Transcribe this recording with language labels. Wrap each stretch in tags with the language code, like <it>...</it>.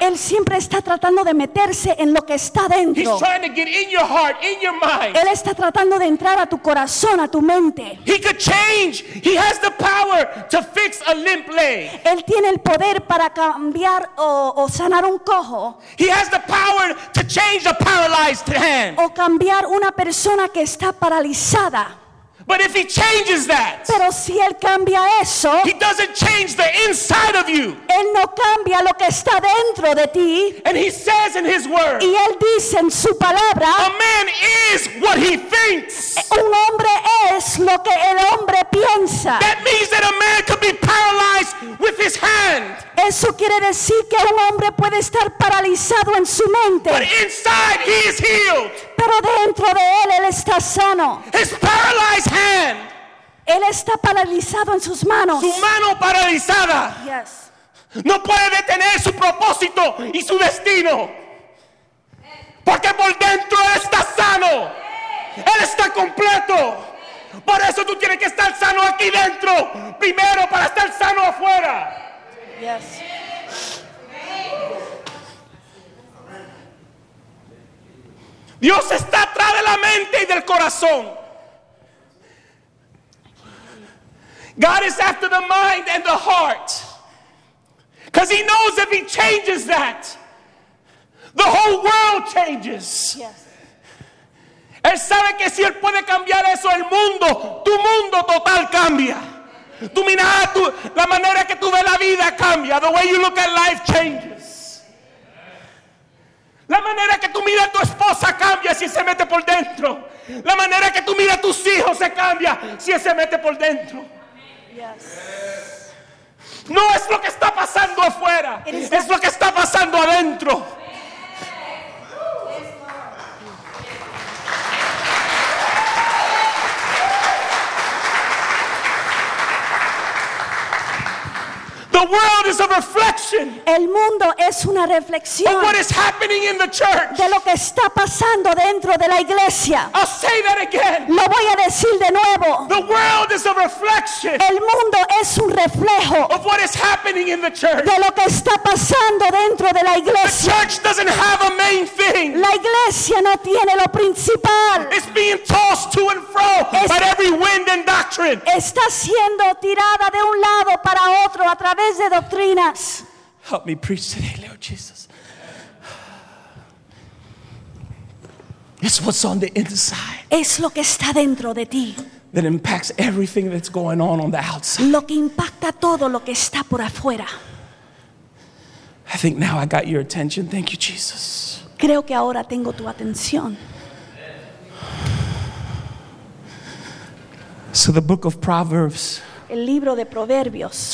<es>Él siempre está tratando de meterse en lo que está dentro.</es> <en>He's trying to get in your heart, in your mind.</en> <es>Él está tratando de entrar a tu corazón, a tu mente.</es> <en>He could change. He has the power to fix a limp leg.</en> <es>Él tiene el poder para cambiar o sanar un cojo.</es> <en>He has the power to change a paralyzed hand.</en> <es>O cambiar una persona que está paralizada.</es> <en>But if he changes that,</en> <es>pero si él cambia eso,</es> <en>he doesn't change the inside of you.</en> <es>Él no cambia lo que está dentro de ti.</es> <en>And he says in his word,</en> <es>y él dice en su palabra,</es> <en>a man is what he thinks.</en> <es>Un hombre es lo que el hombre piensa.</es> <en>That means that a man could be paralyzed with his hand.</en> <es>Eso quiere decir que un hombre puede estar paralizado en su mente.</es> <en>But inside he is healed.</en> <es>Pero dentro de él, él está sano.</es> <en>His paralyzed hand.</en> <es>Él está paralizado en sus manos. Su mano paralizada.</es> <en>Yes.</en> <es>No puede detener su propósito y su destino. Porque por dentro él está sano. Él está completo. Por eso tú tienes que estar sano aquí dentro. Primero para estar sano afuera.</es> <en>Yes.</en> <es>Dios está atrás de la mente y del corazón.</es> <en>God is after the mind and the heart. Because he knows if he changes that, the whole world changes. Yes.</en> <es>Él sabe que si él puede cambiar eso, el mundo, tu mundo total cambia. Tu mirada, la manera que tú ves la vida cambia.</es> <en>The way you look at life changes.</en> <es>La manera que tú miras a tu esposa cambia si se mete por dentro. La manera que tú miras a tus hijos se cambia si se mete por dentro.</es> <en>Yes.</en> <es>No es lo que está pasando afuera. Es lo que está pasando adentro.</es> <en>The world is a reflection.</en> <es>El mundo es una reflexión.</es> <en>Of what is happening in the church.</en> <es>De lo que está pasando dentro de la iglesia.</es> <en>I'll say that again.</en> <es>Lo voy a decir de nuevo.</es> <en>The world is a reflection.</en> <es>El mundo es un reflejo.</es> <en>Of what is happening in the church.</en> <es>De lo que está pasando dentro de la iglesia.</es> <en>The church doesn't have a main thing.</en> <es>La iglesia no tiene lo principal.</es> <en>It's being tossed to and fro by every wind and doctrine.</en> <es>Está siendo tirada de un lado para otro a través de doctrinas.</es> <en>Help me preach today, Lord Jesus. It's what's on the inside.</en> <es>Es lo que está dentro de ti.</es> <en>That impacts everything that's going on the outside.</en> <es>Lo que impacta todo lo que está por afuera.</es> <en>I think now I got your attention. Thank you, Jesus.</en> <es>Creo que ahora tengo tu atención.</es> <en>So the book of Proverbs.</en> <es>El libro de Proverbios</es>